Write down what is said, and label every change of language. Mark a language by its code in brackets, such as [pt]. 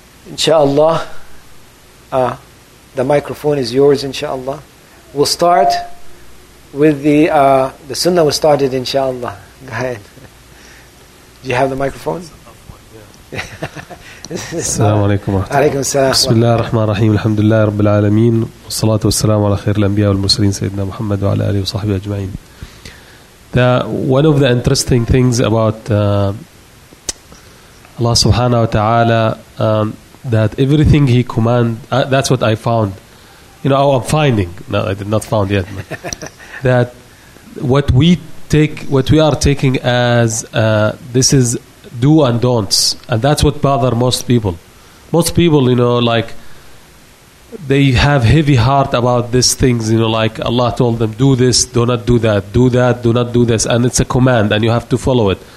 [en] Insha'Allah, the microphone is yours, insha'Allah. We'll start with the sunnah was started, insha'Allah. Go ahead. Do you have the microphone? [ar] السلام عليكم ورحمة الله. السلام. بسم الله الرحمن الرحيم الحمد لله رب العالمين والصلاة والسلام على خير الأنبياء والمرسلين سيدنا محمد وعلى آله وصحبه أجمعين. [en] One of the interesting things about Allah سبحانه وتعالى that everything He command that's what I found. You know, I'm finding. No, I did not found yet. That what we are taking as this is do and don'ts, and that's what bother most people, you know, like they have heavy heart about these things, you know, like Allah told them do this, do not do that, do that, do not do this, and it's a command and you have to follow it.